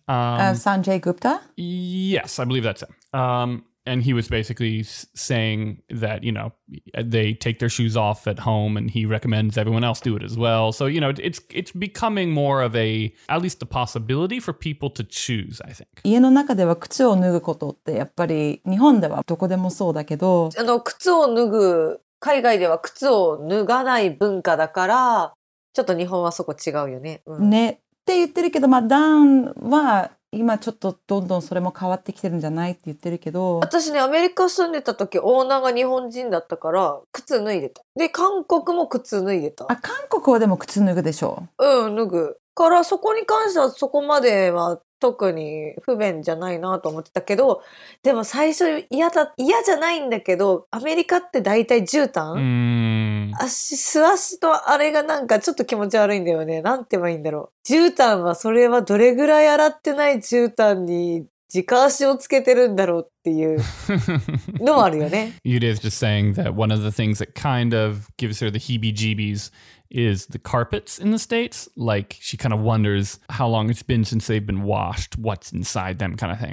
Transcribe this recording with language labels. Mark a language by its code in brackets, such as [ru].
[en] Sanjay Gupta? Yes, I believe that's him. And he was basically saying that, you know, they take their shoes off at home and he recommends everyone else do it as well. So, you know, it's becoming more of a, at least the possibility for people to choose, I think. [ja] 家の中では靴を脱ぐことってやっぱり日本ではどこでもそうだけど、あの靴を脱ぐ、海外では靴を脱がない文化だから、ちょっと日本はそこ違うよね。うん、ねって言ってるけど、まあダンは、今ちょっとどんどんそれも変わってきてるんじゃないって言ってるけど、私ねアメリカ住んでた時オーナーが日本人だったから靴脱いでた。で韓国も靴脱いでた。あ、韓国はでも靴脱ぐでしょう。うん、脱ぐからそこに関してはそこまでは特に不便じゃないなと思ってたけど、でも最初嫌じゃないんだけど、アメリカってだいたい絨毯、足素足とあれがなんかちょっと気持ち悪いんだよね。なんて言えばいいんだろう。絨毯はそれはどれぐらい洗ってない絨毯に直足をつけてるんだろうっていうのもあるよね。 [en] Yuri is just saying that one of the things that kind of gives her the heebie jeebies is the carpets in the States. Like she kind of wonders how long it's been since they've been washed, what's inside them kind of thing.